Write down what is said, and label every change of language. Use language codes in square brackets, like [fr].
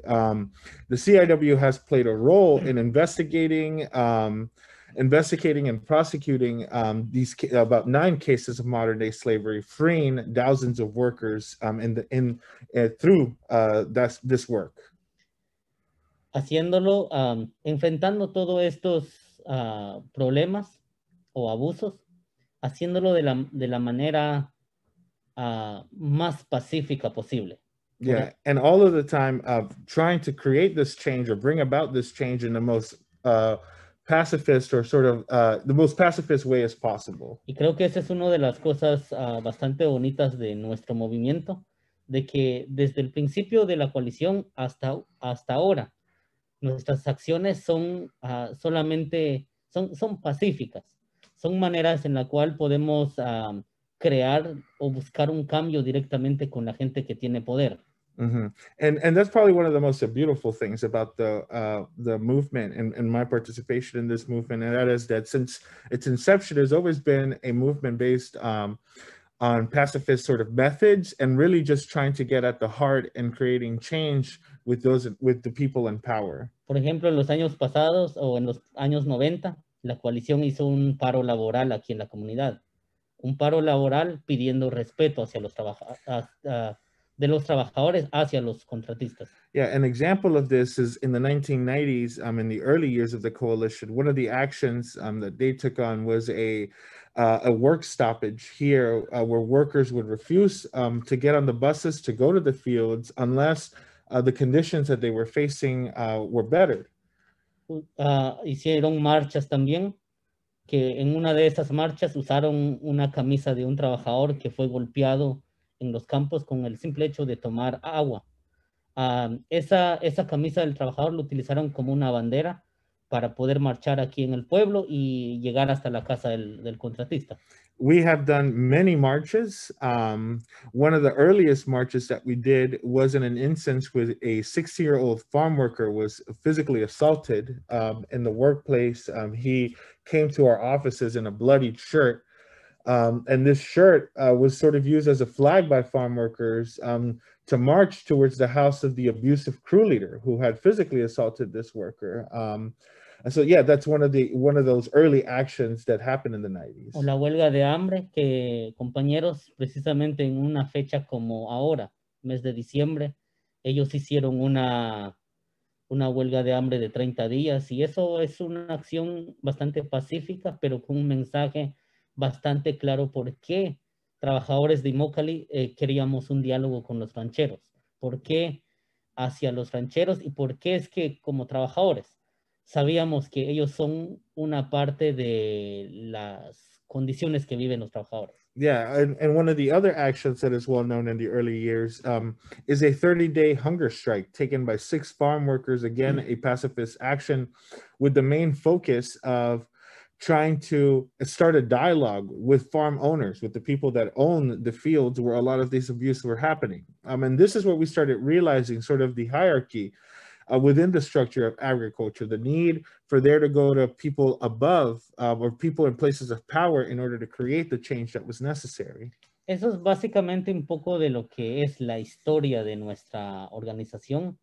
[en] The CIW has played a role in investigating and prosecuting these about 9 cases of modern day slavery, freeing thousands of workers through this work. [es] Haciéndolo, enfrentando todos estos problemas o abusos, haciéndolo de la manera más pacífica posible. [en] Yeah, and all of the time of trying to create this change or bring about this change in the most pacifist or sort of the most pacifist way as possible. [es] Y creo que esa es una de las cosas bastante bonitas de nuestro movimiento, de que desde el principio de la coalición hasta ahora, nuestras acciones son solamente son pacíficas. Son maneras en la cual podemos crear o buscar un cambio directamente con la gente que tiene poder. Mm-hmm. [en] And that's probably one of the most beautiful things about the movement and my participation in this movement, and that is that since its inception, has always been a movement based on pacifist sort of methods and really just trying to get at the heart and creating change with the people in power. [es] Por ejemplo, en los años pasados o en los años 90, la coalición hizo un paro laboral aquí en la comunidad. Un paro laboral pidiendo respeto hacia los trabajadores. De los trabajadores hacia los contratistas. [en] Yeah, an example of this is in the 1990s, in the early years of the coalition, one of the actions that they took on was a work stoppage here where workers would refuse to get on the buses to go to the fields unless the conditions that they were facing were better. [es] Hicieron marchas también, que en una de esas marchas usaron una camisa de un trabajador que fue golpeado en los campos con el simple hecho de tomar agua. Esa camisa del trabajador lo utilizaron como una bandera para poder marchar aquí en el pueblo y llegar hasta la casa del contratista. [en] We have done many marches. One of the earliest marches that we did was in an instance where a 60-year-old farm worker was physically assaulted in the workplace. He came to our offices in a bloodied shirt. And this shirt was sort of used as a flag by farm workers to march towards the house of the abusive crew leader who had physically assaulted this worker. And so, yeah, that's one of those early actions that happened in the O 90s. [es] la huelga de hambre, que compañeros, precisamente en una fecha como ahora, mes de diciembre, ellos hicieron una huelga de hambre de 30 días, y eso es una acción bastante pacífica, pero con un mensaje bastante claro por qué trabajadores de Imokalee queríamos un diálogo con los rancheros, por qué hacia los rancheros y por qué es que como trabajadores sabíamos que ellos son una parte de las condiciones que viven los trabajadores. [en] Yeah, and one of the other actions that is well known in the early years is a 30-day hunger strike taken by six farm workers, again, a pacifist action with the main focus of trying to start a dialogue with farm owners, with the people that own the fields where a lot of these abuses were happening. And this is where we started realizing sort of the hierarchy within the structure of agriculture, the need for there to go to people above, or people in places of power in order to create the change that was necessary. [es] Eso es básicamente un poco de lo que es la historia de nuestra organización.